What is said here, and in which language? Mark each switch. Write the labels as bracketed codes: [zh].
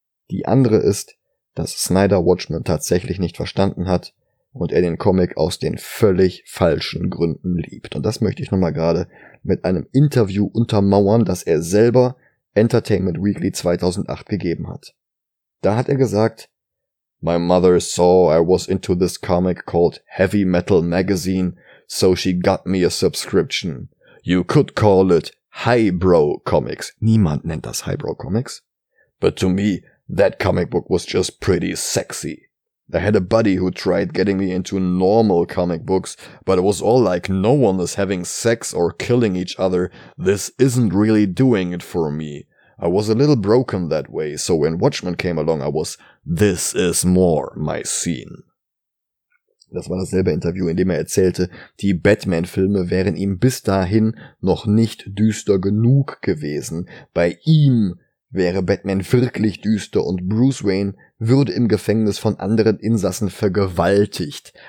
[de] Die andere ist, dass Snyder Watchmen tatsächlich nicht verstanden hat und er den Comic aus den völlig falschen Gründen liebt. Und das möchte ich nochmal gerade mit einem Interview untermauern, das er selber Entertainment Weekly 2008 gegeben hat. Da hat er gesagt: [en] "My mother saw I was into this comic called Heavy Metal Magazine, so she got me a subscription. You could call it Highbrow Comics." [de] Niemand nennt das Highbrow Comics. [en] "But to me, that comic book was just pretty sexy. I had a buddy who tried getting me into normal comic books, but it was all like, no one is having sex or killing each other. This isn't really doing it for me. I was a little broken that way, so when Watchmen came along, I was, this is more my scene." [de] Das war dasselbe Interview, in dem er erzählte, die Batman-Filme wären ihm bis dahin noch nicht düster genug gewesen. Bei ihm wäre Batman wirklich düster und Bruce Wayne würde im Gefängnis von anderen Insassen vergewaltigt.